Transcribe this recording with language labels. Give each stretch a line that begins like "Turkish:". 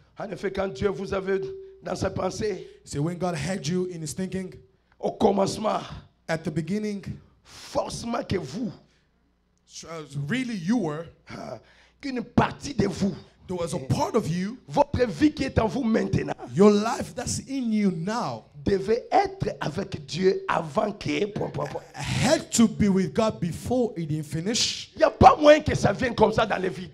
French: En effet, quand Dieu vous avait dans ses pensées.
English: See, when God had you in His thinking.
French: Au commencement.
English: At the beginning.
French: Forcément que vous.
English: Really, you were.
French: Qu'une partie de vous.
English: There was a part of you.
French: Votre vie qui est en vous maintenant.
English: Your life that's in you now.
French: Devait être avec Dieu avant que.
English: Had to be with God before it didn't finish.
French: Il y a pas moyen que ça vienne comme ça dans la vie.